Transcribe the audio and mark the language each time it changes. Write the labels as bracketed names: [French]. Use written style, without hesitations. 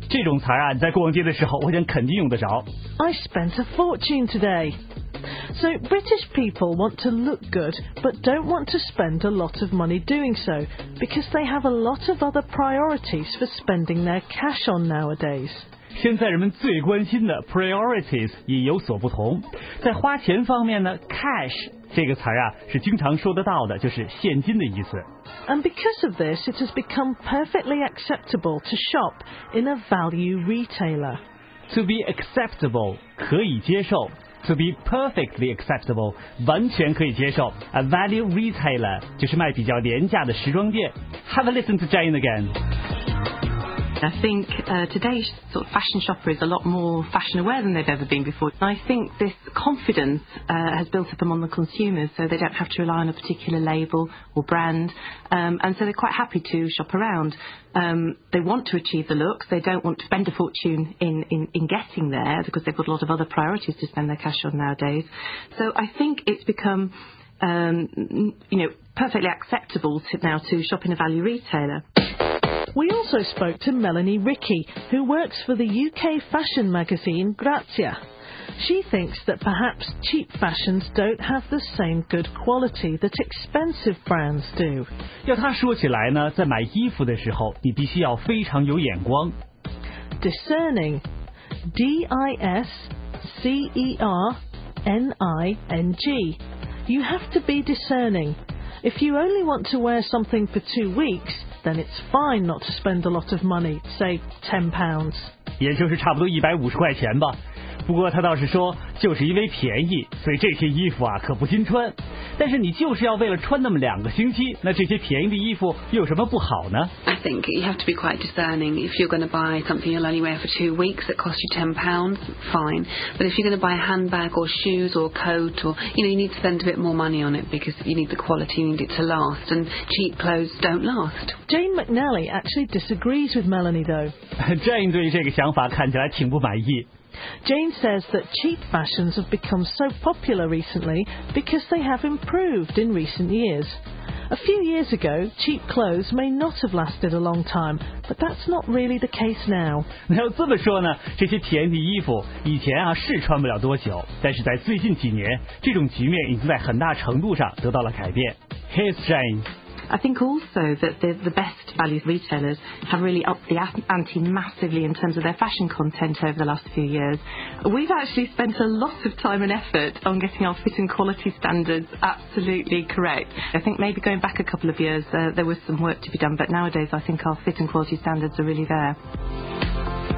[Chinese] 这种词啊，你在逛街的时候，我想肯定用得着。 [English] I spent a fortune today. So British people want to look good, but don't want to spend a lot of money doing so, because they have a lot of other priorities for spending their cash on nowadays. [Chinese] 现在人们最关心的 priorities 也有所不同。在花钱方面呢 ,cash 这个词啊是经常说得到的，就是现金的意思。 [English] And because of this, it has become perfectly acceptable to shop in a value retailer. To be acceptable, [Chinese] 可以接受。 [English] To be perfectly acceptable, [Chinese] 完全可以接受。 [English] A value retailer, [Chinese] 就是卖比较廉价的时装店。 [English] Have a listen to Jane again. I think today's sort of fashion shopper is a lot more fashion aware than they've ever been before. And I think this confidence has built up among the consumers, so they don't have to rely on a particular label or brand, and so they're quite happy to shop around. They want to achieve the look, they don't want to spend a fortune in getting there, because they've got a lot of other priorities to spend their cash on nowadays. So I think it's become, perfectly acceptable now to shop in a value retailer. We also spoke to Melanie Rickey, who works for the UK fashion magazine Grazia. She thinks that perhaps cheap fashions don't have the same good quality that expensive brands do. [Chinese] 要她说起来呢，在买衣服的时候，你必须要非常有眼光。 [English] Discerning, D-I-S-C-E-R-N-I-N-G. You have to be discerning. If you only want to wear something for 2 weeks,then it's fine not to spend a lot of money, say £10. [Chinese] 也就是差不多150块钱吧。不过他倒是说，就是因为便宜，所以这些衣服啊可不新穿。但是你就是要为了穿那么两个星期，那这些便宜的衣服又有什么不好呢？ [English] I think you have to be quite discerning. If you're going to buy something you'll only wear for 2 weeks that costs you £10, fine. But if you're going to buy a handbag or shoes or coat or, you need to spend a bit more money on it because you need the quality, you need it to last. And cheap clothes don't last. Jane McNally actually disagrees with Melanie though. [Chinese] Jane 对这个想法看起来挺不满意。 [English] Jane says that cheap fashions have become so popular recently because they have improved in recent years. A few years ago, cheap clothes may not have lasted a long time, but that's not really the case now. [Chinese] 那要这么说呢，这些便宜衣服以前啊是穿不了多久，但是在最近几年，这种局面已经在很大程度上得到了改变。 [English] Here's Jane. I think also that the best value retailers have really upped the ante massively in terms of their fashion content over the last few years. We've actually spent a lot of time and effort on getting our fit and quality standards absolutely correct. I think maybe going back a couple of years, there was some work to be done, but nowadays I think our fit and quality standards are really there.